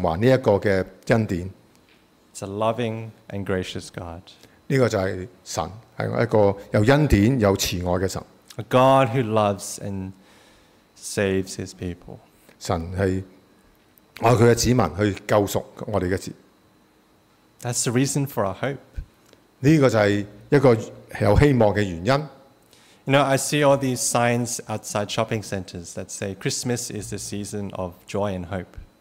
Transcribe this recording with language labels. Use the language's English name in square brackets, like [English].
[Chinese] 又有誰會為了其他人犧牲自己的性命，其他人都知道我們永遠都不可以償還這個恩典。 [English] It's a loving and gracious God. [Chinese] 這就是神，是一個又恩典又慈愛的神。 [English] A God who loves and saves his people. [Chinese] 神是愛他的子民去救贖我們的子。 [English] That's the reason for our hope. [Chinese] 這就是一個有希望的原因。 [English] You know, I see all these signs outside shopping centers that say Christmas is the season of joy and hope.